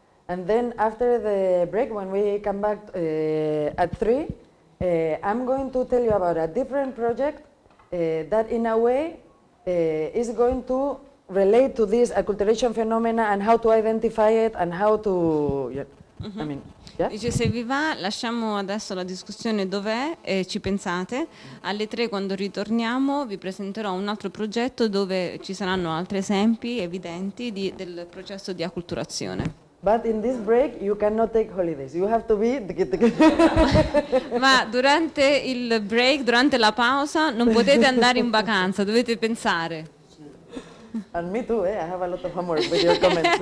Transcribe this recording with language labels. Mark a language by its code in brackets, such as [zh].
[en] And then after the break, when we come back at 3, I'm going to tell you about a different project that in a way is going to relate to this acculturation phenomena and how to identify it and how to, I mean, yeah? [it] Dice, se vi va, lasciamo adesso la discussione dov'è e ci pensate. Alle 3, quando ritorniamo, vi presenterò un altro progetto dove ci saranno altri esempi evidenti del processo di acculturazione. [en] But in this break you cannot take holidays. You have to be. [it] Ma durante il break, durante la pausa, non potete andare in vacanza, dovete pensare. [en] And me too, I have a lot of homework with your comments.